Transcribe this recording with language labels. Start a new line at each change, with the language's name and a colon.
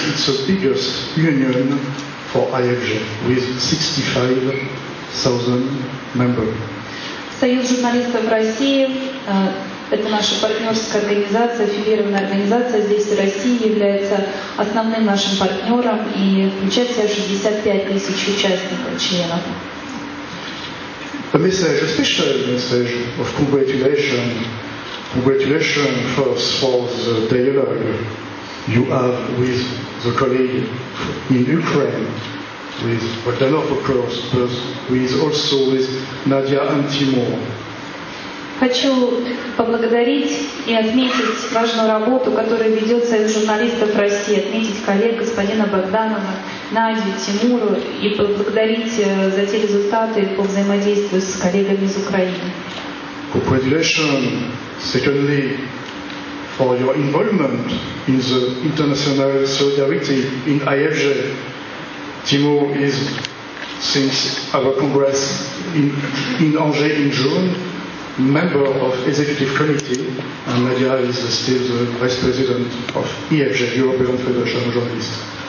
English: It's the biggest union for IFJ with 65,000 members.
Russian: Союз журналистов России – это наша партнерская организация, аффилированная организация. Здесь Россия является основным нашим партнером и включает в себя 65 тысяч участников, членов.
English: A message, a special message of congratulations. Congratulations first for the dialogue you have with the colleague in Ukraine. With Bogdanov, of course, but with Nadia Antimov.
Russian: Хочу поблагодарить и отметить важную работу, которая ведется из журналистов России, отметить коллег господина Богданова, Надю, Тимуру и поблагодарить за те результаты по взаимодействию с коллегами из Украины.
English: Congratulations, secondly, for your involvement in the international solidarity in IFJ. Тимур is since our congress in Angers in June, member of executive committee, and Nadia is still the vice president of EFJ, European Federation of Journalists.